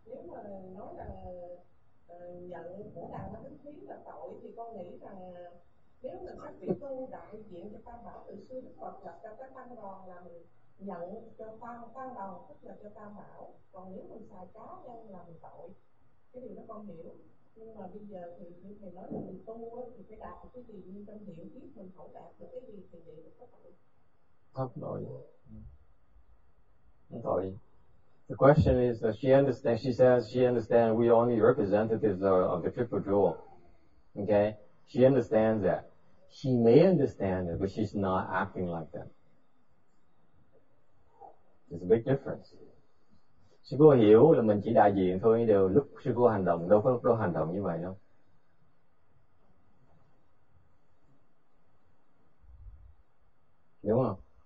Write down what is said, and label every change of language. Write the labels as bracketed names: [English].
[Vietnamese] Nhận của đàn ma thánh thiến là tội thì con nghĩ rằng nếu mình các vị tu đại diện cho tam bảo từ xưa đức Phật gặp cho các tăng đoàn là mình nhận cho tam đoàn tức là cho tam bảo, còn nếu mình xài cá nhân là mình tội, cái điều đó con hiểu. Nhưng mà bây giờ thì những thầy nói là mình tu thì phải đạt được cái gì, nhưng tâm hiểu biết mình không đạt được cái gì thì vậy là có tội. Pháp tội. Không tội. [English] The question is that she understands, she says she understands we are only representatives of the triple jewel. Okay? She understands that. She may understand it, but she's not acting like that. There's a big difference. [Vietnamese] Sư cô hiểu là mình chỉ đại diện thôi, đều lúc sư cô hành động, đâu có lúc đó hành động như vậy đâu. Đúng không?